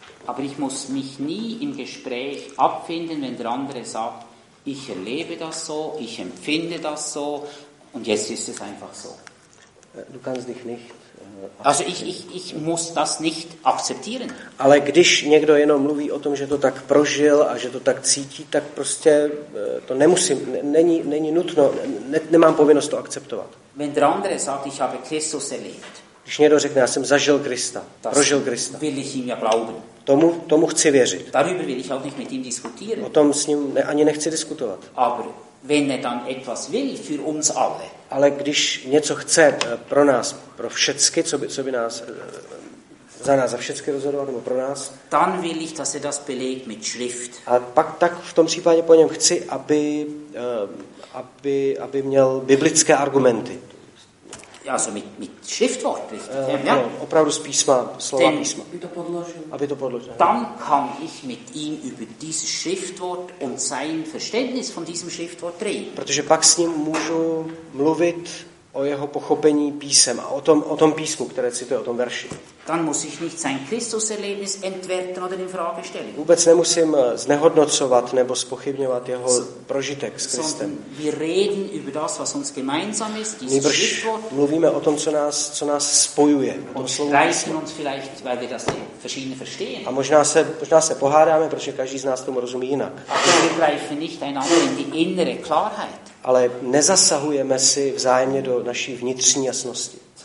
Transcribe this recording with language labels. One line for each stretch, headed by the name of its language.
German: Aber ich muss mich nie im Gespräch abfinden, wenn der andere sagt, ich erlebe das so, ich empfinde das so und jetzt ist es einfach so. Du kannst dich nicht Also ich muss das nicht akzeptieren.
Czech: Ale když někdo jenom mluví o tom, že to tak prožil a že to tak cítí, tak prostě to nemusím, není nutno, nemám povinnost to akceptovat.
German: Wenn der andere sagt, ich habe Christus erlebt.
Czech: Když někdo řekne, já jsem zažil Krista, prožil Krista.
German: Will ich ihm ja glauben.
Czech: Tomu chci věřit.
German: Darüber will ich auch nicht mit ihm diskutieren.
Czech: O tom s ním ani nechci diskutovat.
German: Aber wenn er dann etwas will für uns alle.
Czech: Ale když něco chce pro nás, pro všecky, co by nás za nás za všecky rozhodoval, nebo pro nás.
German: Dann will ich, dass er das belegt mit Schrift.
Czech: A pak tak v tom případě po něm chci, aby měl biblické argumenty.
German: Also mit Schriftwort, richtig?
Czech: Ja. Opravdu z písma, slova
German: Denn,
Czech: písma. Aby to podložil.
German: Dann kann ich mit ihm über dieses Schriftwort und sein Verständnis von diesem Schriftwort reden.
Czech: Protože pak s ním můžu mluvit o jeho pochopení písem a o tom písmu, které cituje, o tom verši.
German: Dann muss ich nicht sein Christuserlebnis entwerten oder in Frage stellen.
Czech: Vůbec nemusím znehodnocovat nebo spochybňovat jeho prožitek s Kristem.
German: Wir reden über das, was uns gemeinsam ist, dieses Schriftwort.
Czech: Mluvíme o tom, co nás spojuje.
German: Und streiten uns vielleicht, weil wir das verschieden verstehen.
Czech: A možná se pohádáme, protože každý z nás tomu rozumí jinak.
German: Aber wir greifen nicht einander in die innere Klarheit.
Czech: Ale nezasahujeme si vzájemně do naší vnitřní jasnosti.